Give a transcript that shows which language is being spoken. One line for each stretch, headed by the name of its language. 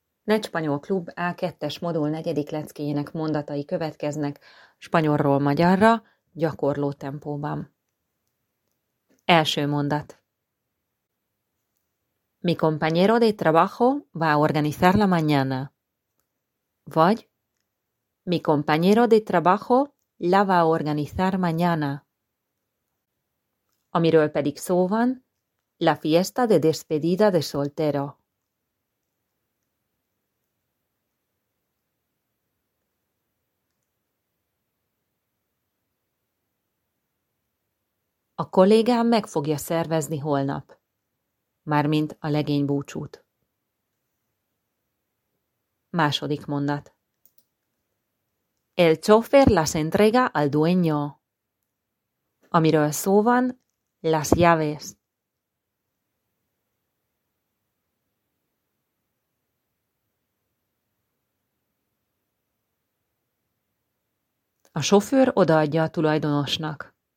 Hungarian: Ne Spanyol Klub A2-es modul negyedik leckéjének mondatai következnek spanyolról magyarra, gyakorló tempóban. Első mondat.
Spanish: Mi compañero de trabajo va a organizar la mañana. Vagy mi compañero de trabajo la va a organizar mañana.
Hungarian: Amiről pedig szó van,
Spanish: la fiesta de despedida de soltero.
Hungarian: A kollégám meg fogja szervezni holnap, mármint a legény búcsút. Második mondat.
Spanish: El chofer las entrega al dueño.
Hungarian: Amiről szó van,
Spanish: las llaves.
Hungarian: A sofőr odaadja a tulajdonosnak.